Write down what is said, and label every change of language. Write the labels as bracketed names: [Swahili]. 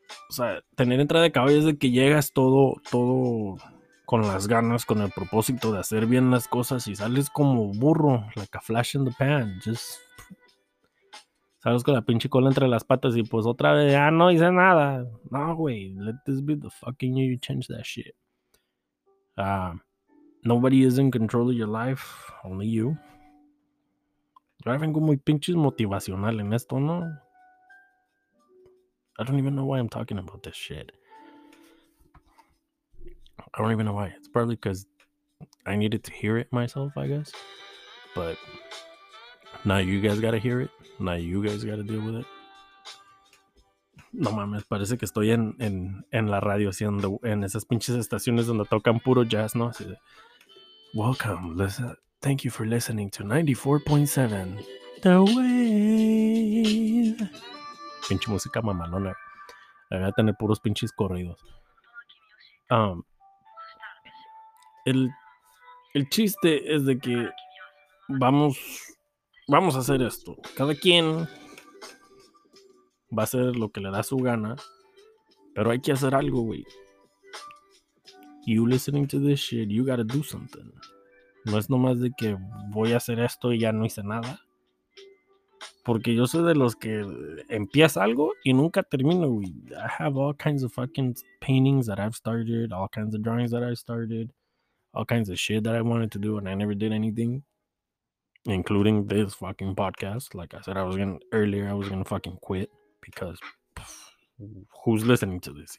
[Spanish] O sea, tener entrada de caballo es de que llegas todo con las ganas, con el propósito de hacer bien las cosas y sales como burro, [English] like a flash in the pan, [Spanish] just sales con la pinche cola entre las patas y pues otra vez, ah, no hice nada. No, güey, [English] let this be the fucking year you change that shit. Nobody is in control of your life, only you. [Spanish] Yo ahora vengo muy pinches motivacional en esto, ¿no? [English] I don't even know why I'm talking about this shit. I don't even know why. It's probably because I needed to hear it myself, I guess. But now you guys gotta hear it. Now you guys gotta deal with it. [Spanish] No mames, parece que estoy en la radio, así en esas pinches estaciones donde tocan puro jazz, ¿no? Así de, [English] welcome, listen. Thank you for listening to 94.7 The Wave. [Spanish] Pinche música mamalona. La voy a tener puros pinches corridos. El chiste es de que vamos a hacer esto. Cada quien va a hacer lo que le da su gana, pero hay que hacer algo, güey. [English] You listening to this shit, you gotta do something. [Spanish] No es nomás de que voy a hacer esto y ya no hice nada. Porque yo soy de los que empieza algo y nunca termino, güey. [English] I have all kinds of fucking paintings that I've started, all kinds of drawings that I started, all kinds of shit that I wanted to do and I never did anything, including this fucking podcast. Like I said, I was gonna fucking quit because who's listening to this?